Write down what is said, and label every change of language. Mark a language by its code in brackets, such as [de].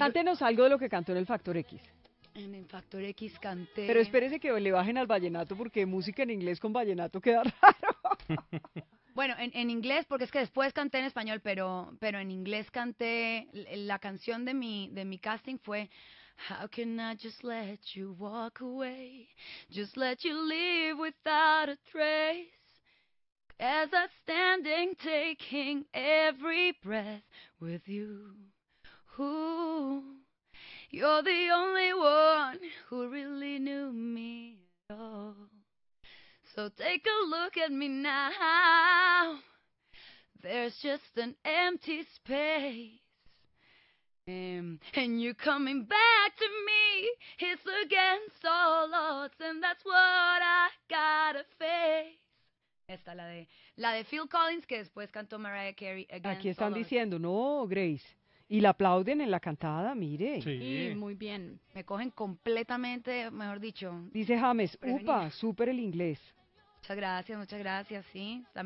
[es] cántenos algo de lo que cantó en el Factor X. En el Factor X canté... Pero espérese que le bajen al vallenato, porque música en inglés con vallenato queda raro. Bueno, en inglés, porque es que después canté en español, pero en inglés canté... La canción de mi casting fue... [en] How can I just let you walk away? Just let you leave without a trace? As I'm standing, taking every breath with you. You're the only one who really knew me at all. So take a look at me now. There's just an empty space. And you're coming back to me. It's against all odds, and that's what I gotta face. [es] Esta, la de Phil Collins, que después cantó Mariah Carey. Aquí están diciendo, no, Grace. Y la aplauden en la cantada, mire. Sí. Y muy bien. Me cogen completamente, mejor dicho. Dice James, [en] upa, súper el inglés. [es] Muchas gracias, sí.